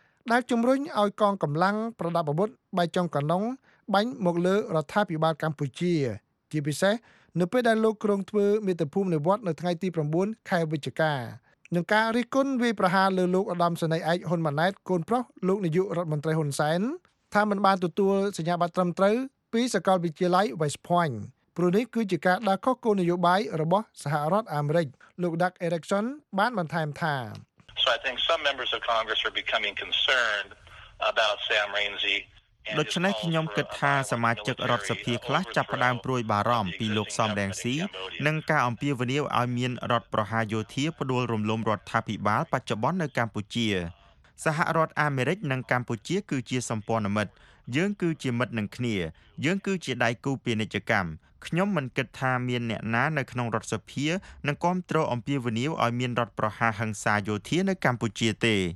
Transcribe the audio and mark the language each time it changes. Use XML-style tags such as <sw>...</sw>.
<km>ដែលជំរុញឲ្យកងកម្លាំងប្រដាប់អាវុធបៃចុងកណុងបាញ់មកលើរដ្ឋាភិបាលកម្ពុជាជាពិសេសនៅពេលដែលលោកក្រុងធ្វើមេត្តភូមិនិវត្តនៅថ្ងៃទី9ខែវិច្ឆិកានឹងការរិះគន់វាប្រហារលើលោកឧត្តមសេនីយ៍ឯកហ៊ុនម៉ាណែតកូនប្រុសលោកនាយករដ្ឋមន្ត្រីហ៊ុនសែនថាមិនបានទទួលសញ្ញាបត្រត្រឹមត្រូវពីសាកលវិទ្យាល័យ West Point ព្រោះនេះគឺជាការដាក់ខុសគោលនយោបាយរបស់សហរដ្ឋអាមេរិកលោក Doug Erickson បានបន្ថែមថា</km> <en>So I think some members of Congress are becoming concerned about Sam Rainsy</en> <km>ដូច្នេះខ្ញុំគិតថាសមាជិករដ្ឋសភាខ្លះចាប់ផ្ដើមព្រួយបារម្ភពីលោកសំរងស៊ីនិងការអំពាវនាវឲ្យមានរដ្ឋប្រហារយោធាផ្ដួលរំលំរដ្ឋាភិបាលបច្ចុប្បន្ននៅកម្ពុជាសហរដ្ឋអាមេរិកនិងកម្ពុជាគឺជាសម្ព័ន្ធមិត្តយើងគឺជាមិត្តនឹងគ្នាយើងគឺជាដៃគូពាណិជ្ជកម្មខ្ញុំមិនគិតថាមានអ្នកណានៅក្នុងរដ្ឋសភានឹងគាំទ្រអំពាវនាវឲ្យមានរដ្ឋប្រហារហិង្សាយោធានៅកម្ពុជាទេ</km>